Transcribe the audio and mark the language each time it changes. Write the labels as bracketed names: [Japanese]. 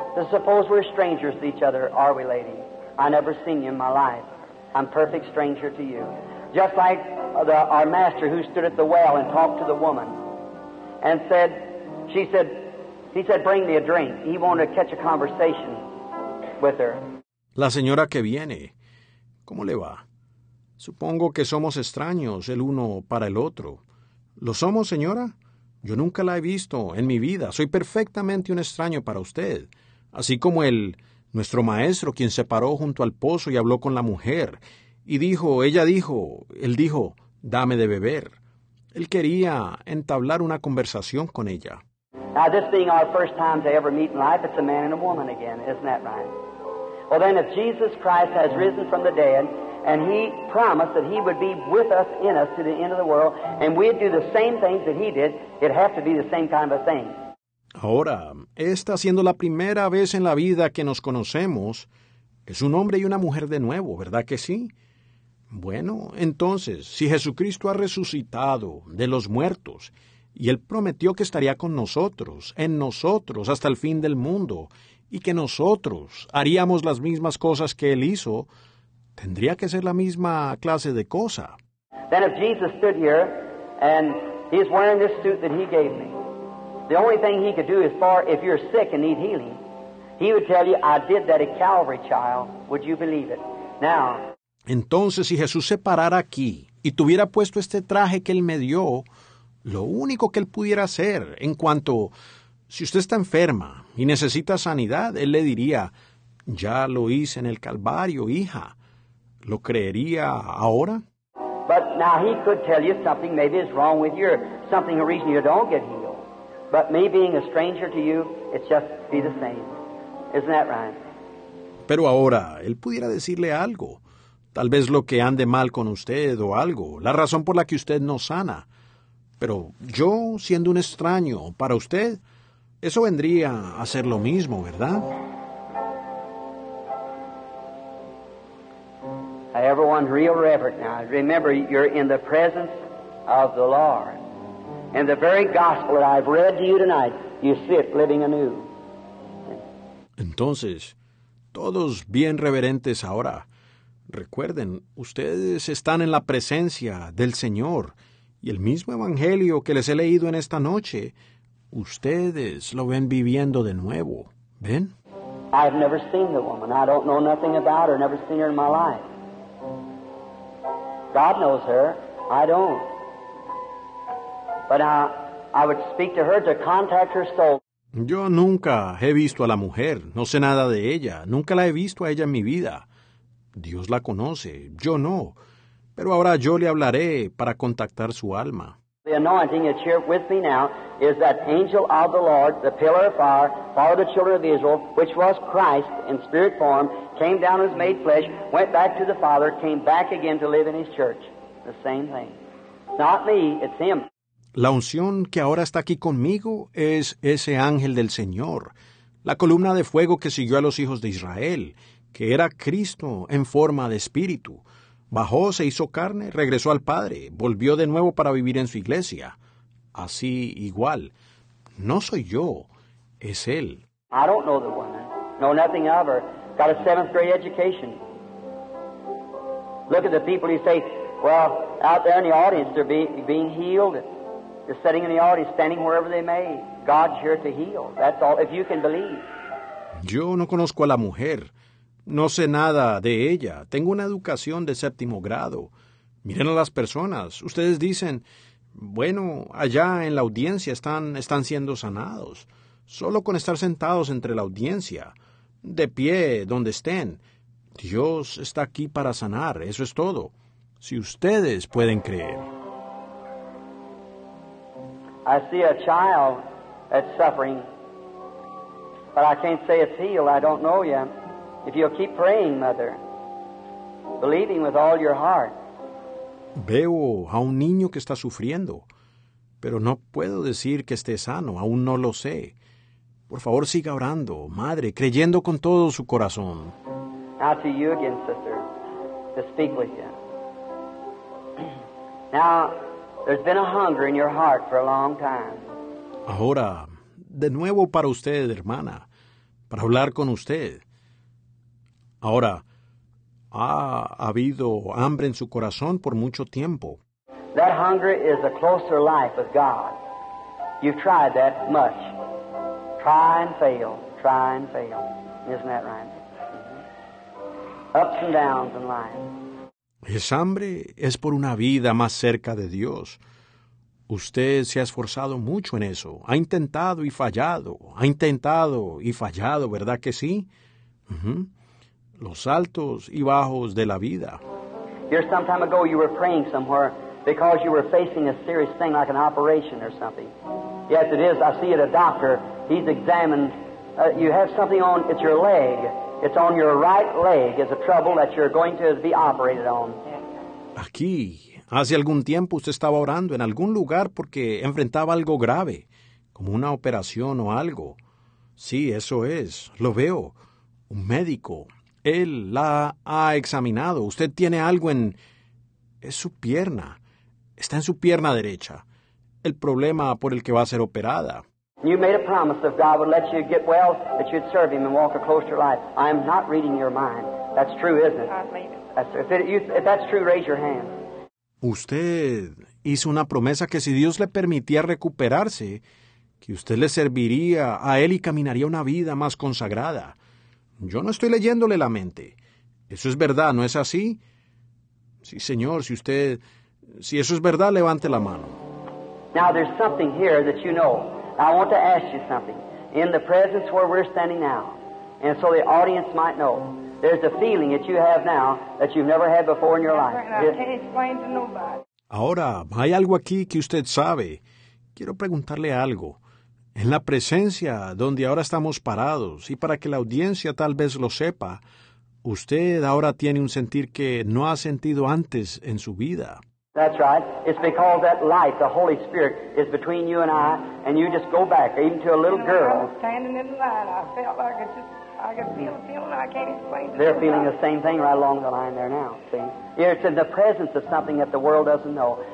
[English] Suppose we're strangers to each other, are we, lady? I never seen you in my life. I'm perfect stranger to you. Just like our master who stood at the well and talked to the woman and said, he said, bring me a drink. He wanted to catch a conversation with her. [Spanish] La señora que viene. ¿Cómo le va? Supongo que somos extraños el uno para el otro. ¿Lo somos, señora? Yo nunca la he visto en mi vida. Soy perfectamente un extraño para usted. Así como el nuestro maestro, quien se paró junto al pozo y habló con la mujer. Y dijo, ella dijo, él dijo, dame de beber. Él quería entablar una conversación con ella. [English] Now, this being our first time to ever meet in life, it's a man and a woman again, isn't that right? Well, then, if Jesus Christ has risen from the dead... And he promised that he would be with us, in us, to the end of the world, and we'd do the same things that he did. It'd have to be the same kind of a thing. [Spanish] Ahora, esta siendo la primera vez en la vida que nos conocemos, es un hombre y una mujer de nuevo, ¿verdad que sí? Bueno, entonces, si Jesucristo ha resucitado de los muertos, y él prometió que estaría con nosotros, en nosotros, hasta el fin del mundo, y que nosotros haríamos las mismas cosas que él hizo... tendría que ser la misma clase de cosa. [English] Then if Jesus stood here and he's wearing this suit that he gave me, the only thing he could do is for if you're sick and need healing, he would tell you, I did that at Calvary, child. Would you believe it? Now. [Spanish] Entonces, si Jesús se parara aquí y tuviera puesto este traje que él me dio, lo único que él pudiera hacer en cuanto, si usted está enferma y necesita sanidad, él le diría, ya lo hice en el Calvario, hija. ¿Lo creería ahora? [English] But now he could tell you something maybe is wrong with you, something, a reason you don't get healed. But me being a stranger to you, it's just be the same. Isn't that right? [Spanish] Pero ahora, él pudiera decirle algo. Tal vez lo que ande mal con usted o algo, la razón por la que usted no sana. Pero yo, siendo un extraño para usted, eso vendría a ser lo mismo, ¿verdad? [English] Everyone, real reverent now. Remember, you're in the presence of the Lord. In the very gospel that I've read to you tonight, you sit living anew. [Spanish] Entonces, todos bien reverentes ahora. Recuerden, ustedes están en la presencia del Señor, y el mismo evangelio que les he leído en esta noche, ustedes lo ven viviendo de nuevo. ¿Ven? [English] I've never seen the woman. I don't know nothing about her. Never seen her in my life. God knows her. I don't. But I would speak to her to contact her soul. [Spanish] Yo nunca he visto a la mujer. No sé nada de ella. Nunca la he visto a ella en mi vida. Dios la conoce, yo no. Pero ahora yo le hablaré para contactar su alma. [English] The anointing that's here with me now is that angel of the Lord, the pillar of fire, for the children of Israel, which was Christ in spirit form, came down as made flesh, went back to the Father, came back again to live in his church. The same thing. Not me, it's him. [Spanish] La unción que ahora está aquí conmigo es ese ángel del Señor, la columna de fuego que siguió a los hijos de Israel, que era Cristo en forma de espíritu. Bajó, se hizo carne, regresó al Padre, volvió de nuevo para vivir en su iglesia. Así igual. No soy yo, es él. [English] I don't know the woman. Know nothing of her. Got a seventh grade education. Look at the people who say, well, out there in the audience, they're being healed. They're sitting in the audience, standing wherever they may. God's here to heal. That's all, if you can believe. [Spanish] Yo no conozco a la mujer. No sé nada de ella. Tengo una educación de séptimo grado. Miren a las personas. Ustedes dicen, bueno, allá en la audiencia están siendo sanados. Solo con estar sentados entre la audiencia, de pie donde estén, Dios está aquí para sanar. Eso es todo. Si ustedes pueden creer. [English] I see a child that's suffering, but I can't say it's healed. I don't know yet. If you'll keep praying, mother, believing with all your heart. [Spanish] Veo a un niño que está sufriendo, pero no puedo decir que esté sano, aún no lo sé. Por favor, siga orando, madre, creyendo con todo su corazón. [English] Now to you again, sister, to speak with you. Now, there's been a hunger in your heart for a long time. [Spanish] Ahora, de nuevo para usted, hermana, para hablar con usted. Ahora, ha habido hambre en su corazón por mucho tiempo. [English] That hunger is a closer life with God. You've tried that much. Try and fail. Try and fail. Isn't that right? Ups and downs in life. [Spanish] Esa hambre es por una vida más cerca de Dios. Usted se ha esforzado mucho en eso. Ha intentado y fallado. Ha intentado y fallado, ¿verdad que sí? Los altos y bajos de la vida. [English] Here, some time ago, you were praying somewhere because you were facing a serious thing like an operation or something. Yes, it is. I see it, a doctor. He's examined. You have something on, it's your leg. It's on your right leg. It's a trouble that you're going to be operated on. [Spanish] Aquí, hace algún tiempo, usted estaba orando en algún lugar porque enfrentaba algo grave, como una operación o algo. Sí, eso es. Lo veo. Un médico. Él la ha examinado. Usted tiene algo en... Es su pierna. Está en su pierna derecha. El problema por el que va a ser operada. [English] You made a promise that God would let you get well, that you'd serve him and walk a closer life. I'm not reading your mind. That's true, isn't it? I believe it. If that's true, raise your hand. [Spanish] Usted hizo una promesa que si Dios le permitía recuperarse, que usted le serviría a él y caminaría una vida más consagrada. Yo no estoy leyéndole la mente. Eso es verdad, ¿no es así? Sí, señor, si usted... Si eso es verdad, levante la mano. [English] Now, there's something here that you know. I want to ask you something. In the presence where we're standing now, and so the audience might know, there's a feeling that you have now that you've never had before in your life. And I can't explain to nobody. [Spanish] Ahora, hay algo aquí que usted sabe. Quiero preguntarle algo. En la presencia donde ahora estamos parados, y para que la audiencia tal vez lo sepa, usted ahora tiene un sentir que no ha sentido antes en su vida. [English] That's right. It's because that light, the Holy Spirit, is between you and you just go back, even to a little girl. I was standing in the line. I felt like I could feel I can't explain to They're feeling the same thing right along the line there now, see? It's in the presence of something that the world doesn't know.